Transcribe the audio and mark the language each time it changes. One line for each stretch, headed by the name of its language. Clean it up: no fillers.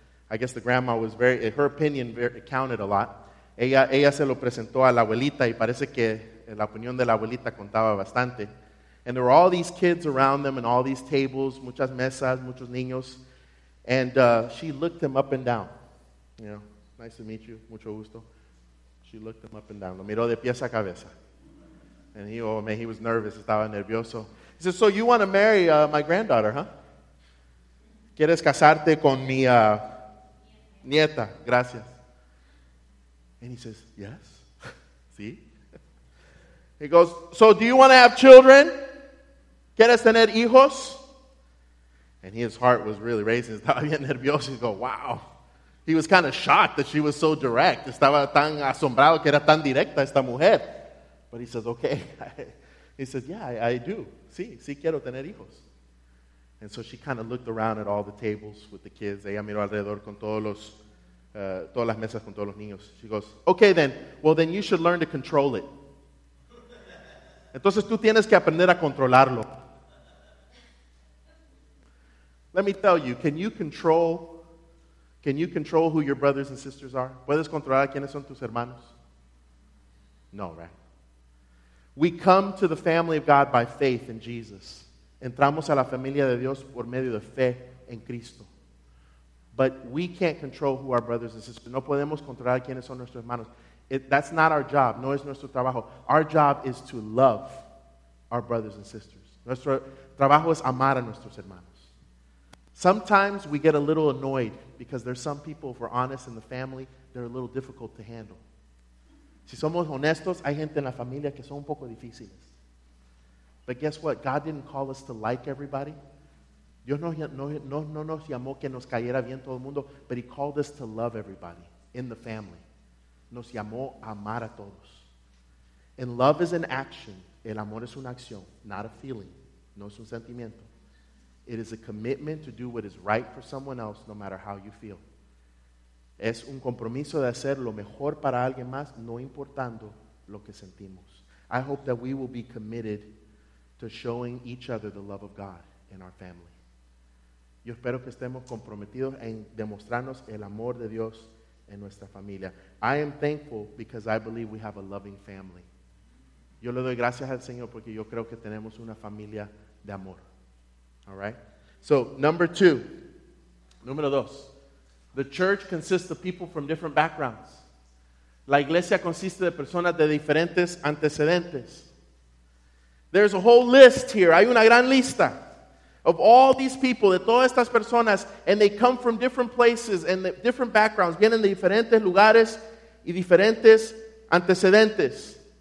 English: I guess the grandma was very, her opinion counted a lot.
Spanish: Ella se lo presentó a la abuelita y parece que la opinión de la abuelita contaba bastante.
English: And there were all these kids around them and all these tables,
Spanish: muchas mesas, muchos niños.
English: And she looked him up and down. You know, nice to meet you,
Spanish: mucho gusto.
English: She looked him up and down.
Spanish: Lo miró de pies a cabeza.
English: And he, oh man, he was nervous,
Spanish: estaba nervioso.
English: He said, so you want to marry my granddaughter, huh?
Spanish: ¿Quieres casarte con mi nieta? Gracias.
English: And he says, yes.
Spanish: ¿Sí?
English: He goes, so do you want to have children?
Spanish: ¿Quieres tener hijos?
English: And his heart was really racing.
Spanish: Estaba bien nervioso.
English: He goes, wow. He was kind of shocked that she was so direct.
Spanish: Estaba tan asombrado que era tan directa esta mujer.
English: But he says, okay. He says, yeah, I do.
Spanish: Sí, sí quiero tener hijos.
English: And so she kind of looked around at all the tables with the kids.
Spanish: Ella miró alrededor con todas las mesas con todos los niños.
English: She goes, okay then. Well, then you should learn to control it.
Spanish: Entonces tú tienes que aprender a controlarlo.
English: Let me tell you, can you control who your brothers and sisters are?
Spanish: ¿Puedes controlar quiénes son tus hermanos?
English: No, right? We come to the family of God by faith in Jesus.
Spanish: Entramos a la familia de Dios por medio de fe en Cristo.
English: But we can't control who our brothers and sisters.
Spanish: No podemos controlar quiénes son nuestros hermanos.
English: That's not our job.
Spanish: No es nuestro trabajo.
English: Our job is to love our brothers and sisters. Nuestro trabajo es amar a nuestros hermanos. Sometimes we get a little annoyed because there's some people, if we're honest in the family, they're a little difficult to handle.
Spanish: Si somos honestos, hay gente en la familia que son un poco difíciles.
English: But guess what? God didn't call us to like everybody.
Spanish: Dios no nos llamó que nos cayera bien todo el mundo,
English: but he called us to love everybody in the family.
Spanish: Nos llamó a amar a todos.
English: And love is an action.
Spanish: El amor es una acción,
English: not a feeling.
Spanish: No es un sentimiento.
English: It is a commitment to do what is right for someone else, no matter how you feel.
Spanish: Es un compromiso de hacer lo mejor para alguien más, no importando lo que sentimos.
English: I hope that we will be committed to showing each other the love of God in our family.
Spanish: Yo espero que estemos comprometidos en demostrarnos el amor de Dios en nuestra familia.
English: I am thankful because I believe we have a loving family.
Spanish: Yo le doy gracias al Señor porque yo creo que tenemos una familia de amor.
English: All right? So,
Spanish: número dos.
English: The church consists of people from different backgrounds.
Spanish: La iglesia consiste de personas de diferentes antecedentes.
English: There's a whole list here.
Spanish: Hay una gran lista
English: of all these people,
Spanish: de todas estas personas,
English: and they come from different places and different backgrounds.
Spanish: Vienen de diferentes lugares y diferentes antecedentes.